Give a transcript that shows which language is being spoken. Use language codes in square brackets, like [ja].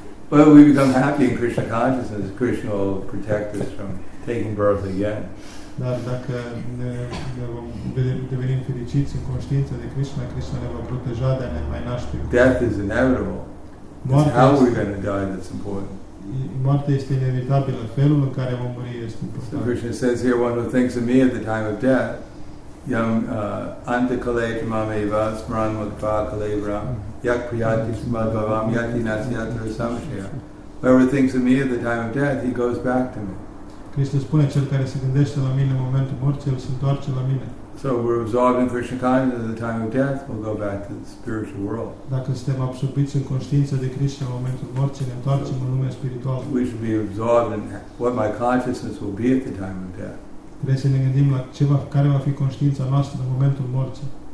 [en] Well, we become happy in Krishna consciousness. Krishna will protect us from taking birth again. [ro] Dar dacă ne vom deveni fericiți în conștiința de Krishna, Krishna ne va proteja de a ne mai naște. [en] Death is inevitable. It's how we're going to die that's important. [ro] Moartea este inevitabilă. Felul în care vom muri este important. [en] So Krishna says here, one who thinks of me at the time of death, [sa] yam antakale tamameva smaran mudva kalevra yak priyati smadvavam yati nasyatra samshaya. [en] Whoever thinks of me at the time of death, he goes back to me. [ro] Krishna spune, cel care se gândește la mine în momentul morții, el se întoarce la mine. [en] So we're absorbed in Krishna consciousness at the time of death, we'll go back to the spiritual world. [ro] Dacă suntem absorbiți în conștiința de Krishna în momentul morții, ne întoarcem în lumea spirituală. [en] We should be absorbed in what my consciousness will be at the time of death. [ro] Trebuie să ne gândim la care va fi conștiința noastră în momentul morții.